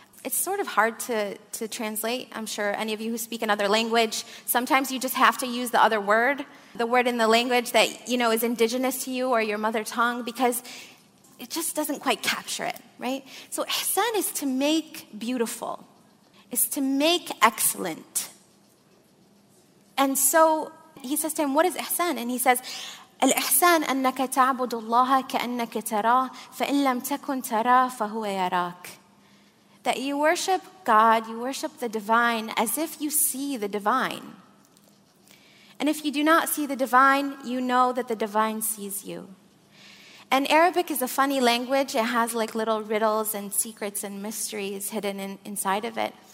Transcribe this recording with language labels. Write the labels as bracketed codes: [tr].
[en] It's sort of hard to translate. I'm sure any of you who speak another language, sometimes you just have to use the other word, the word in the language that, you know, is indigenous to you or your mother tongue, because it just doesn't quite capture it, right? So ihsan is to make beautiful, is to make excellent. And so he says to him, what is ihsan? And he says, [ar] الإحسان أنك تعبد الله كأنك تراه فإن لم تكن تراه فهو يراك. [en] That you worship God, you worship the divine as if you see the divine. And if you do not see the divine, you know that the divine sees you. And Arabic is a funny language. It has like little riddles and secrets and mysteries hidden inside of it.